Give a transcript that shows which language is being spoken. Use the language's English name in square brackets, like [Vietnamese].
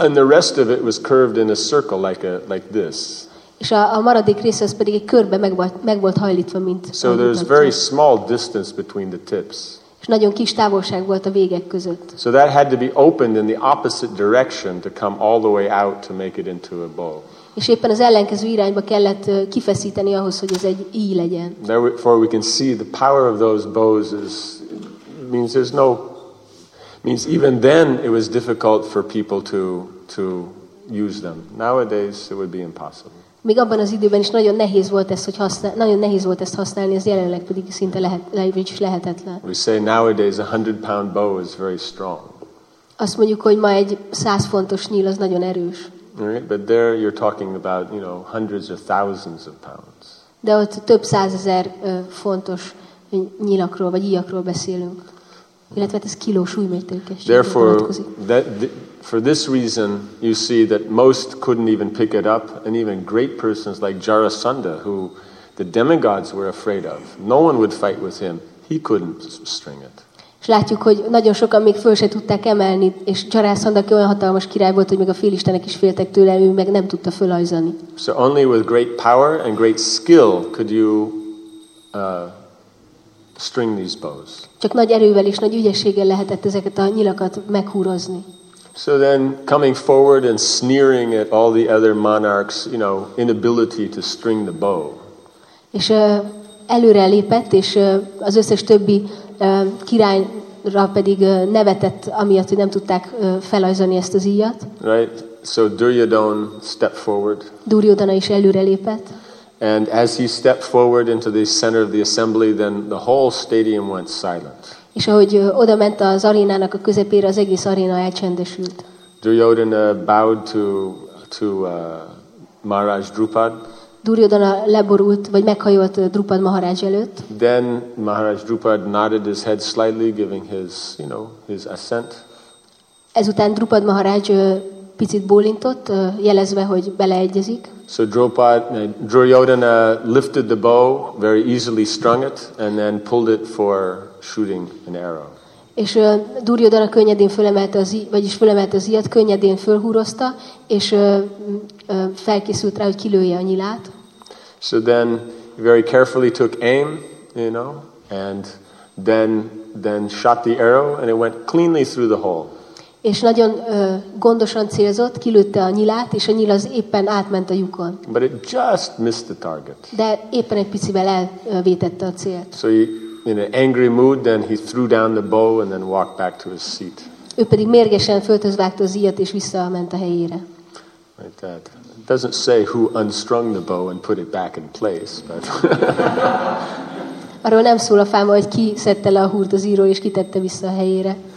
[English] And the rest of it was curved in a circle like a like this. [Hungarian] És a maradék része az pedig egy körbe meg volt hajlítva, mint. [English] So there's very small distance between the tips. [Hungarian] És nagyon kis távolság volt a végek között. [English] So that had to be opened in the opposite direction to come all the way out to make it into a bowl. [Hungarian] És éppen az ellenkező irányba kellett kifeszíteni ahhoz, hogy ez egy íj legyen. [English] Therefore we can see the power of those bows is means there's no means even then it was difficult for people to use them. Nowadays it would be impossible. [Hungarian] Még abban az időben is nagyon nehéz volt ezt, hogy nagyon nehéz volt ezt használni, ez jelenleg pedig szinte lehetetlen. [English] We say nowadays a 100-pound bow is very strong. [Hungarian] Azt mondjuk, hogy ma egy 100 fontos nyíl az nagyon erős. [English] Right? But there you're talking about, you know, hundreds or thousands of pounds. [Hungarian] De ott több százezer fontos nyílakról vagy íjakról beszélünk. Illetve ez kiló súlymértékes. [English] Therefore, for this reason, you see that most couldn't even pick it up, and even great persons like Jarasandha, who the demigods were afraid of, no one would fight with him. He couldn't string it. [Hungarian] És látjuk, hogy nagyon sokan még föl se tudták emelni, és Jarasandha, aki olyan hatalmas király volt, hogy még a félistenek is féltek tőle, ő meg nem tudta fölajzani. [English] So only with great power and great skill could you string these bows. [Hungarian] Csak nagy erővel és nagy ügyességgel lehetett ezeket a nyilakat meghúrozni. [English] So then coming forward and sneering at all the other monarchs, you know, inability to string the bow. [Hungarian] És előre lépett, és az összes többi királyra pedig nevetett, amiatt, hogy nem tudták felajzani ezt az íjat. [English] Right. So Duryodhana stepped forward. [Hungarian] Duryodhana is előre lépett. [English] And as he stepped forward into the center of the assembly, then the whole stadium went silent. [Hungarian] És ahogy odament az arénának a közepére, az egész aréna elcsendesült. [English] Duryodhana bowed to Maharaj Drupad. [Hungarian] Duryodhana leborult, vagy meghajolt Drupad Maharaj előtt. [English] Then Maharaj Drupad nodded his head slightly, giving his, you know, his assent. [Hungarian] Ezután Drupad Maharaj picit bólintott, jelezve, hogy beleegyezik. [English] So Duryodhana lifted the bow, very easily strung it, and then pulled it for shooting an arrow. [Hungarian] És Duryodhana könnyedén fölemelte az íjat, könnyedén fölhúrozta, és felkészült rá, hogy kilője a nyilát. [English] So then he very carefully took aim, you know, and then shot the arrow, and it went cleanly through the hole. [Hungarian] És nagyon gondosan célzott, kilőtte a nyilát, és a nyíl az éppen átment a lyukon. [English] But it just missed the target. [Hungarian] De éppen egy picivel elvétette a célt. [English] So in an angry mood, then he threw down the bow and then walked back to his seat. [Hungarian] Ő pedig mérgesen földhöz vágta az íjat, és visszament a helyére. [English] Right, that doesn't say who unstrung the bow and put it back in place, but [Hungarian] arról nem szól a fáma, hogy ki szedte le a húrt az íjról, és kitette vissza a helyére.